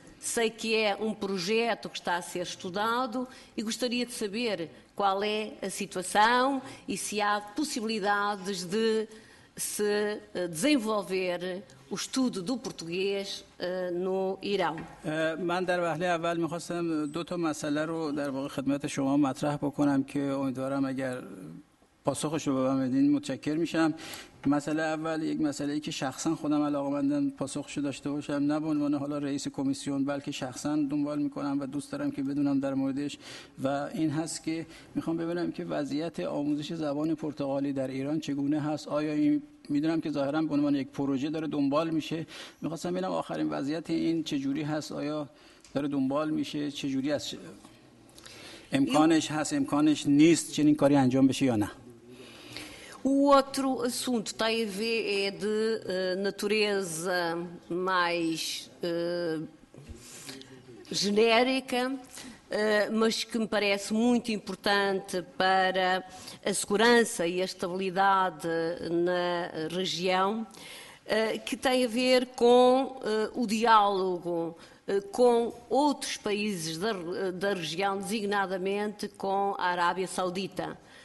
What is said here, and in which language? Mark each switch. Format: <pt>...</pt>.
<pt>Sei que é um projeto que está a ser estudado e gostaria de saber qual é a situação e se há possibilidades de se desenvolver o estudo do português no Irão.</pt> <fa>من در وهله اول می‌خواستم دو تا مسئله رو در واقع خدمت شما مطرح بکنم که امیدوارم اگر پاسخش رو به من بدین متشکر میشم. مسئله اول یک مسئله ای که شخصا خودم علاقه‌مندم پاسخش رو داشته باشم، نه به عنوان حالا رئیس کمیسیون بلکه شخصا دنبال میکنم و دوست دارم که بدونم در موردش، و این هست که میخوام ببینم که وضعیت آموزش زبان پرتغالی در ایران چگونه هست. آیا این میدونم که ظاهرا به عنوان یک پروژه داره دنبال میشه، میخواستم ببینم آخرین وضعیت این چجوری هست، آیا داره دنبال میشه، چجوری هست، امکانش هست، امکانش نیست چنین کاری انجام بشه یا نه.</fa> <pt>O outro assunto tem a ver, é de natureza mais genérica, mas que me parece muito importante para a segurança e a estabilidade na região, que tem a ver com o diálogo com outros países da região, designadamente com a Arábia Saudita.</pt>